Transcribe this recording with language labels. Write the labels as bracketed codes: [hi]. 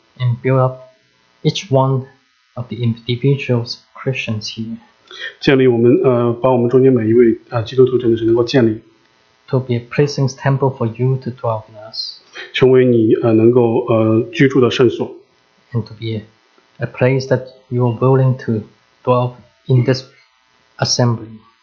[en] And build up each one of the individuals Christians here. [zh] 建立我们，把我们中间每一位基督徒真的是能够建立。 [en] To be a pleasing temple for you to dwell in us. [zh] 成为你能够居住的圣所。 [en] And to be a place that you are willing to dwell in this assembly.